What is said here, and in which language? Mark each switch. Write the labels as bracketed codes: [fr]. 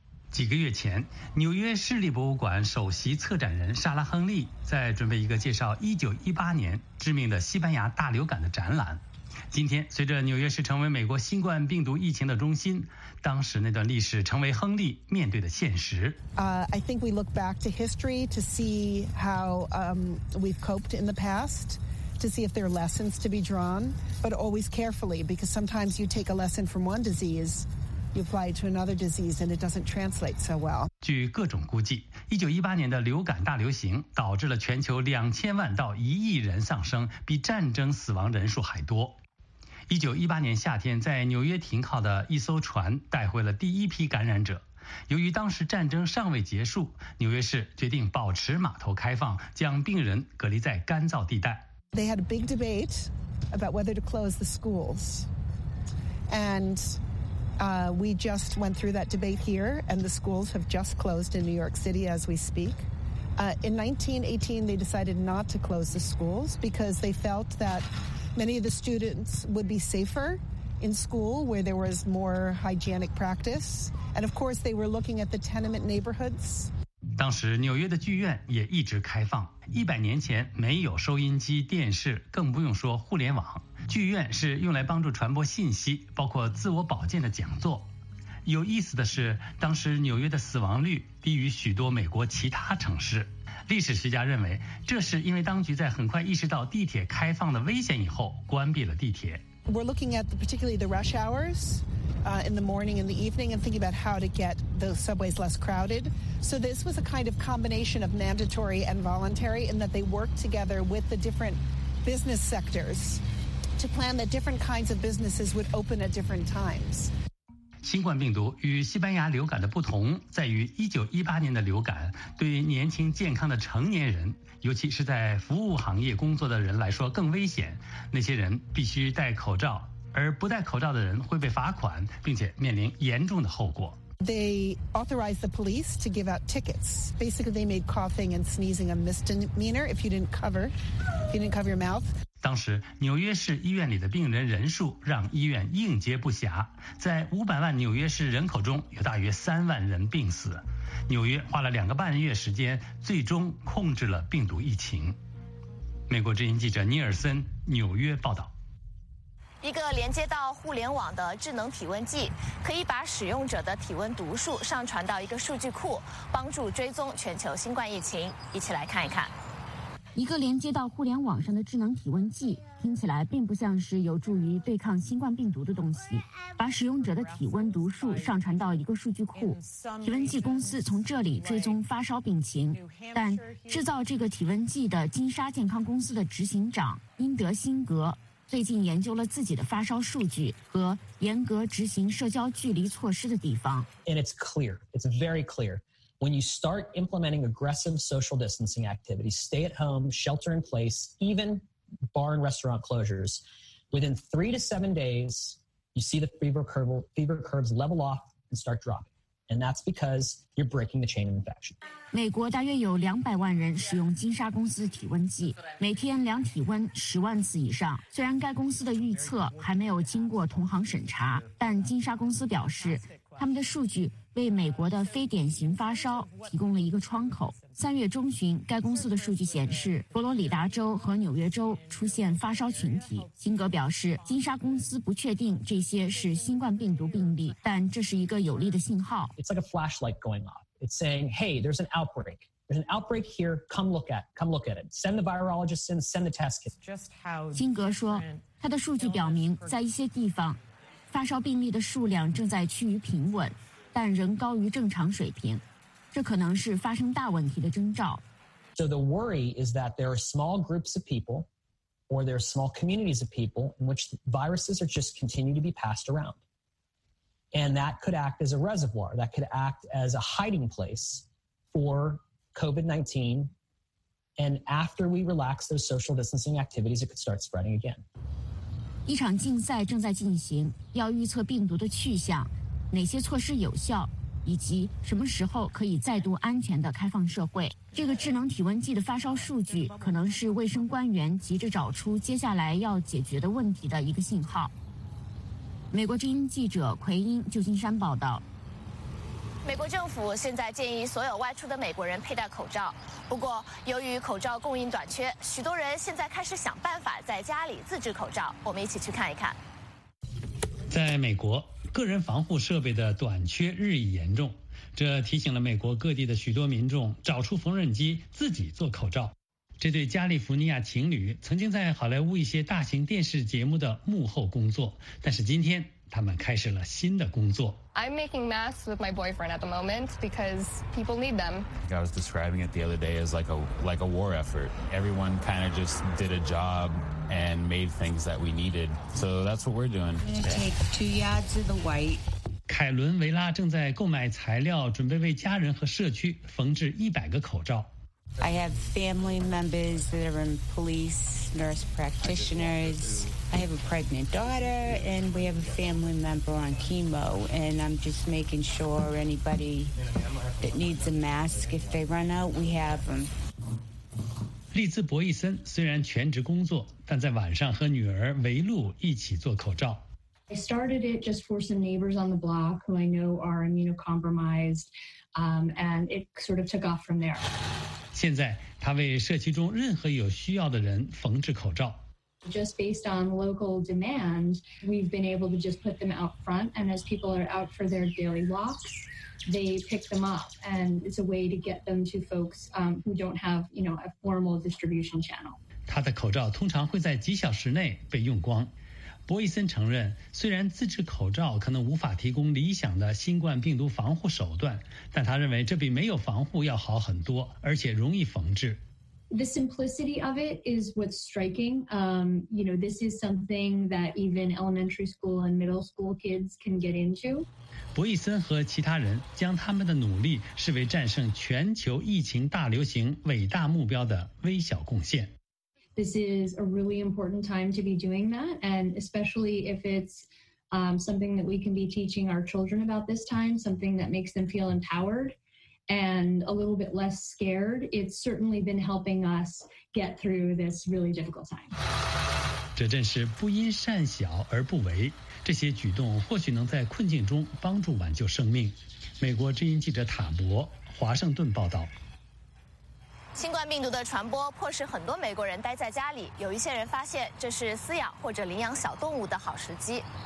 [zh] 几个月前，纽约市立博物馆首席策展人莎拉·亨利在准备一个介绍1918年知名的西班牙大流感的展览。今天，随着纽约市成为美国新冠病毒疫情的中心，当时那段历史成为亨利面对的现实。 [en] I think we look back to history to see how we've coped in the past, to see if there are lessons to be drawn, but always carefully, because sometimes you take a lesson from one disease, you apply it to another disease, and it doesn't translate so well. [zh] 据各种估计，1918年的流感大流行导致了全球2000万到1亿人丧生，比战争死亡人数还多。 1918年夏天，在纽约停靠的一艘船带回了第一批感染者。由于当时战争尚未结束，纽约市决定保持码头开放，将病人隔离在干燥地带。 [en] They had a big debate about whether to close the schools, and we just went through that debate here, and the schools have just closed in New York City as we speak. In 1918, they decided not to close the schools because they felt that. Many of the students would be safer in school where there was more hygienic practice. And of course, they were looking at the tenement neighborhoods. [zh] 当时纽约的剧院也一直开放。100年前没有收音机、电视，更不用说互联网。剧院是用来帮助传播信息，包括自我保健的讲座。有意思的是，当时纽约的死亡率低于许多美国其他城市。历史学家认为，这是因为当局在很快意识到地铁开放的危险以后，关闭了地铁。 [en] We're looking at particularly the rush hours, in the morning and the evening, and thinking about how to get the subways less crowded. So this was a kind of combination of mandatory and voluntary, in that they worked together with the different business sectors to plan that different kinds of businesses would open at different times. [zh] 新冠病毒与西班牙流感的不同在于1918年的流感对年轻健康的成年人，尤其是在服务行业工作的人来说更危险。那些人必须戴口罩，而不戴口罩的人会被罚款，并且面临严重的后果。 [en] They authorized the police to give out tickets. Basically, they made coughing and sneezing a misdemeanor if you didn't cover your mouth. [zh] 当时，纽约市医院里的病人人数让医院应接不暇。在500万纽约市人口中，有大约3万人病死。纽约花了2个半月时间，最终控制了病毒疫情。美国之音记者尼尔森，纽约报道。一个连接到互联网的智能体温计，可以把使用者的体温读数上传到一个数据库，帮助追踪全球新冠疫情。一起来看一看。一个连接到互联网上的智能体温计，听起来并不像是有助于对抗新冠病毒的东西。把使用者的体温读数上传到一个数据库，体温计公司从这里追踪发烧病情。但制造这个体温计的金沙健康公司的执行长英德辛格最近研究了自己的发烧数据和严格执行社交距离措施的地方。 [en] And it's clear, it's very clear. When you start implementing aggressive social distancing activities, stay at home, shelter in place, even bar and restaurant closures, within 3 to 7 days, you see the fever curves level off and start dropping. And that's because you're breaking the chain of infection. [zh] 美国大约有200万人使用金沙公司的体温计，每天量体温10万次以上。虽然该公司的预测还没有经过同行审查，但金沙公司表示他们的数据为美国的非典型发烧提供了一个窗口。 3月中旬，该公司的数据显示，佛罗里达州和纽约州出现发烧群体。辛格表示，金沙公司不确定这些是新冠病毒病例，但这是一个有力的信号。 [en] It's like a flashlight going off. It's saying, "Hey, there's an outbreak. There's an outbreak here. Come look at it. Send the virologists in. Send the test kits." [zh] 辛格说，他的数据表明，在一些地方，发烧病例的数量正在趋于平稳。但仍高于正常水平，这可能是发生大问题的征兆。 [en] So the worry is that there are small groups of people, or there are small communities of people in which viruses are just continue to be passed around, and that could act as a reservoir, that could act as a hiding place for COVID-19. And after we relax those social distancing activities, it could start spreading again. [zh] 一场竞赛正在进行，要预测病毒的去向。哪些措施有效，以及什么时候可以再度安全地开放社会。这个智能体温计的发烧数据可能是卫生官员急着找出接下来要解决的问题的一个信号。美国之音记者奎因，旧金山报道。美国政府现在建议所有外出的美国人佩戴口罩，不过由于口罩供应短缺，许多人现在开始想办法在家里自制口罩。我们一起去看一看。在美国，个人防护设备的短缺日益严重，这提醒了美国各地的许多民众找出缝纫机自己做口罩。这对加利福尼亚情侣曾经在好莱坞一些大型电视节目的幕后工作，但是今天他们开始了新的工作。 [en] I'm making masks with my boyfriend at the moment because people need them. I was describing it the other day as like a war effort. Everyone kind of just did a job and made things that we needed. So that's what we're doing. I'm gonna take 2 yards of the white. [zh] 凯伦·维拉正在购买材料，准备为家人和社区缝制100个口罩。 [en] I have family members that are in police, nurse practitioners. I have a pregnant daughter, and we have a family member on chemo. And I'm just making sure anybody that needs a mask, if they run out, we have them. [zh] 利兹·博伊森虽然全职工作，但在晚上和女儿维露一起做口罩。 [en] I started it just for some neighbors on the block who I know are immunocompromised, and it sort of took off from there. [zh] 现在他为社区中任何有需要的人缝制口罩。 [en] Just based on local demand, we've been able to just put them out front, and as people are out for their daily walks, they pick them up, and it's a way to get them to folks who don't have, you know, a formal distribution channel. [zh] 他的口罩通常会在几小时内被用光。博伊森承认，虽然自制口罩可能无法提供理想的新冠病毒防护手段，但他认为这比没有防护要好很多，而且容易缝制。 [en] The simplicity of it is what's striking. You know, this is something that even elementary school and middle school kids can get into. [zh] 博伊森和其他人将他们的努力视为战胜全球疫情大流行伟大目标的微小贡献。 [en] This is a really important time to be doing that, and especially if it's something that we can be teaching our children about this time, something that makes them feel empowered and a little bit less scared. It's certainly been helping us get through this really difficult time. [zh] 这正是不因善小而不为，这些举动或许能在困境中帮助挽救生命。美国之音记者塔博，华盛顿报道。新冠病毒的传播迫使很多美国人待在家里，有一些人发现这是饲养或者领养小动物的好时机。